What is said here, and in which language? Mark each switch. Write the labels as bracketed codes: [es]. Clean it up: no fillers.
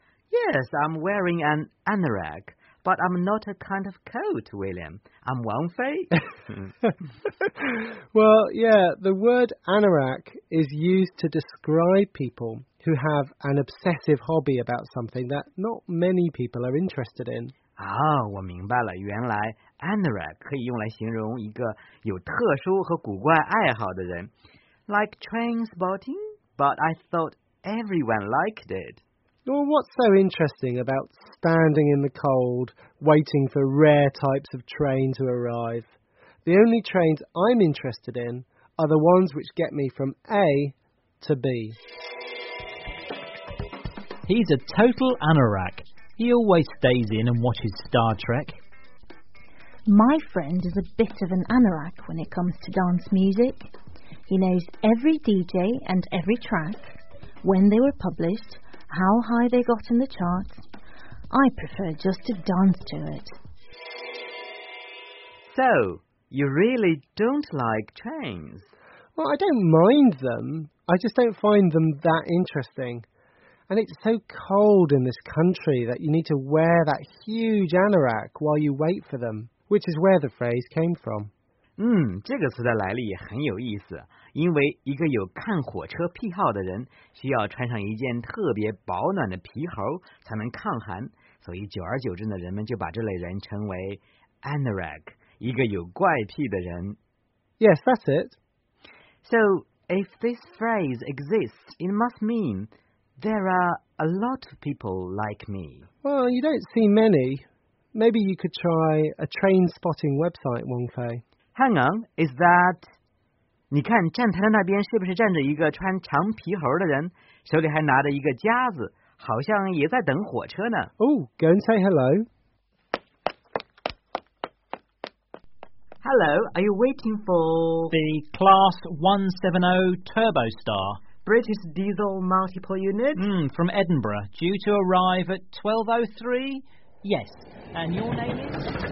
[en] Yes, I'm wearing an anorak, but I'm not a kind of coat, William. I'm Wong Fei. Well, yeah, the word anorak is used to describe people who have an obsessive hobby about something that not many people are interested in. [zh] 我明白了。原来 anorak 可以用来形容一个有特殊和古怪爱好的人。 [en] Like train spotting, but I thought everyone liked it. Well, what's so interesting about standing in the cold, waiting for rare types of train to arrive? The only trains I'm interested in are the ones which get me from A to B. He's a total anorak. He always stays in and watches Star Trek. My friend is a bit of an anorak when it comes to dance music. He knows every DJ and every track, when they were published, how high they got in the charts. I prefer just to dance to it. So, you really don't like trains? Well, I don't mind them. I just don't find them that interesting. And it's so cold in this country that you need to wear that huge anorak while you wait for them, which is where the phrase came from. [zh] 这个词的来历也很有意思，因为一个有看火车癖好的人需要穿上一件特别保暖的皮猴才能抗寒，所以久而久之呢，人们就把这类人称为 anorak, 一个有怪癖的人。 [en] Yes, that's it. So, if this phrase exists, it must mean... There are a lot of people like me. Well, you don't see many. Maybe you could try a train spotting website, Wong Fei. Hang on, is that... [zh] 你看站台的那边是不是站着一个穿长皮猴的人，手里还拿着一个夹子，好像也在等火车呢。 [en] Oh, go and say hello. Hello, are you waiting for... The Class 170 Turbostar. British diesel multiple unit? From Edinburgh. Due to arrive at 12:03? Yes. And your name is?